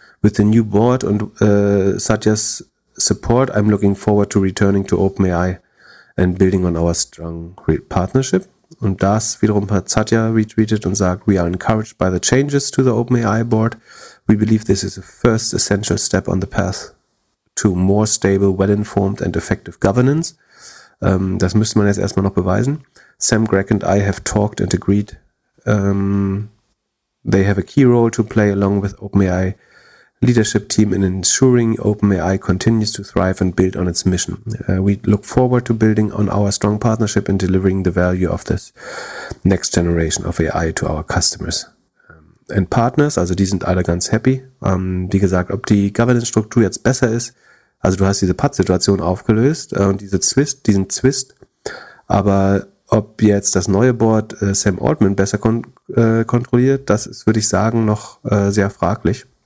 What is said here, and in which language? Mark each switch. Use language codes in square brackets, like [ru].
[en] With the new board and Satya's support, I'm looking forward to returning to OpenAI and building on our strong partnership. [de] Und das wiederum hat Satya retweetet und sagt, [en] we are encouraged by the changes to the OpenAI board. We believe this is the first essential step on the path to more stable, well-informed and effective governance. [de] Das müsste man jetzt erstmal noch beweisen. [en] Sam, Greg and I have talked and agreed. They have a key role to play along with OpenAI leadership team in ensuring OpenAI continues to thrive and build on its mission. We look forward to building on our strong partnership and delivering the value of this next generation of AI to our customers and partners. [de] Also die sind alle ganz happy. Wie gesagt, ob die Governance-Struktur jetzt besser ist, also du hast diese Patt-Situation aufgelöst und diesen Zwist, aber ob jetzt das neue Board Sam Altman besser kontrolliert, das ist, würde ich sagen, noch sehr fraglich.